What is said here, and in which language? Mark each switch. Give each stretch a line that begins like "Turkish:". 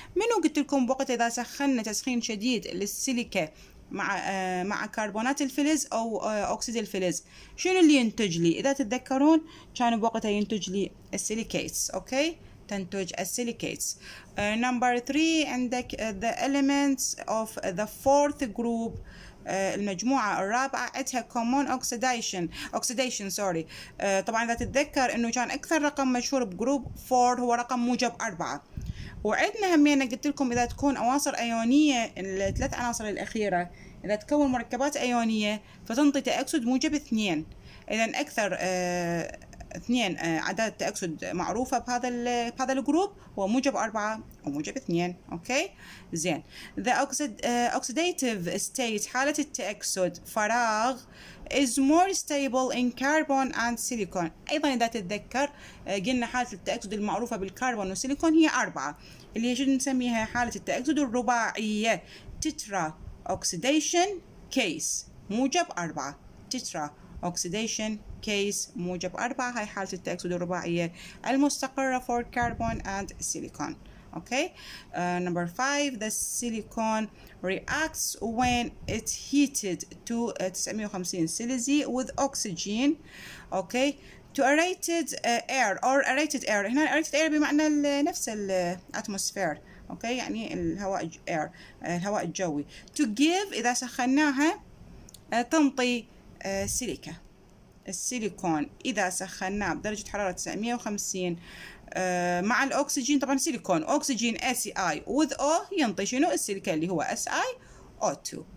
Arabic: منو قلت لكم وقت اذا سخنا تسخين شديد للسيليكا مع كربونات الفلز او اكسيد الفلز شنو اللي ينتج لي؟ اذا تتذكرون كان بوقتها ينتج لي السيليكيتس. اوكي، تنتج السيليكيتس. نمبر 3 عندك
English: the elements of the fourth group.
Arabic: المجموعة الرابعة عندها
English: common oxidation sorry.
Arabic: طبعا إذا تتذكر إنه كان أكثر رقم مشهور بجروب 4 هو رقم موجب 4، وعندنا همين قلت لكم إذا تكون عناصر أيونية الثلاث عناصر الأخيرة إذا تكون مركبات أيونية فتنطي تأكسد موجب 2. إذا أكثر 2 عدد التأكسد معروفة بهذا الجروب هو موجب 4 وموجب 2. أوكي، زين.
English: The oxidative state،
Arabic: حالة التأكسد فراغ،
English: is more stable in carbon and silicon.
Arabic: أيضا إذا تتذكر قلنا حالة التأكسد المعروفة بالكربون والسيليكون هي 4، اللي هي نسميها حالة التأكسد الرباعية تترا أوكسيديشن كيس موجب 4. تترا أوكسيديشن كيس موجب 4، هاي حالة التأكسد الرباعية المستقرة
English: for carbon and silicon. Okay. Number 5. The silicon reacts when it's heated to 950 سيليزي with oxygen. Okay. To aerated air or aerated air.
Arabic: هنا
English: aerated air
Arabic: بمعنى نفس الاتموسفير.
English: Okay.
Arabic: يعني الهواء air. الهواء الجوي.
English: To give.
Arabic: إذا سخناها تنطي سيليكا. السيليكون إذا سخناه بدرجة حرارة 950 مع الأكسجين، طبعا سيليكون أكسجين
English: Si with O
Arabic: ينطي شنو؟ السيليكا اللي هو SiO2.